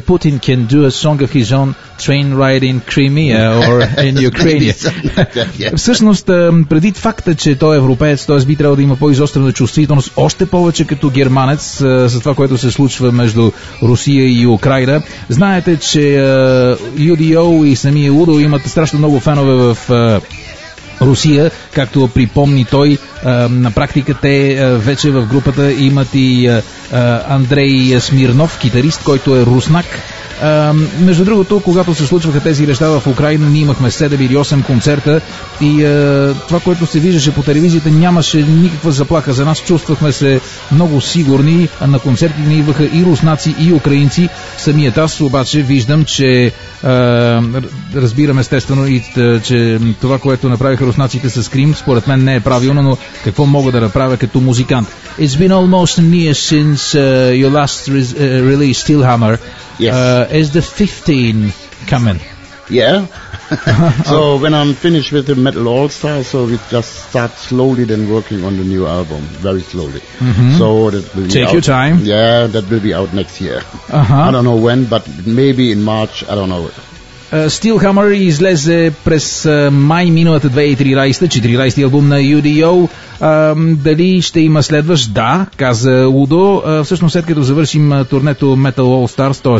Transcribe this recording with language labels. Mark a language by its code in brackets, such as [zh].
[en] Putin can do a song of his own, train ride in Crimea or in Ukraine. Like that, yeah. [bg] Всъщност, предвид факта, че той е европеец, т.е. би трябвало да има по-изострена чувствителност, още повече като германец, с това, което се случва между Русия и Украина. Знаете, че UDO и самия Удо имат страшно много фенове в Русия, както припомни той, на практика те вече в групата имат и Андрей Смирнов, китарист, който е руснак. Между другото, когато се случваха тези неща в Украина, ние имахме 7 или 8 концерта и това, което се виждаше по телевизията, нямаше никаква заплаха за нас. Чувствахме се много сигурни. На концерти ни идваха и руснаци, и украинци. Самият аз обаче виждам, че разбирам естествено и че това, което направиха руснаците с Крим, според мен не е правилно, но какво мога да направя като музикант? [en] It's been almost a year since your last release, Steelhammer. Yes. Is the 15 coming? Yeah. So when I'm finished with the Metal All-Star, so we just start slowly then working on the new album, very slowly. Mm-hmm. So that will be take out. Your time. Yeah, that will be out next year. Uh-huh. I don't know when, but maybe in March, I don't know. [bg] Steelhammer излезе през май миналата 2013-та, 14-ти албум на UDO. Дали ще има следващ? Да, каза Удо. Всъщност след като завършим турнето Metal All Stars, т.е.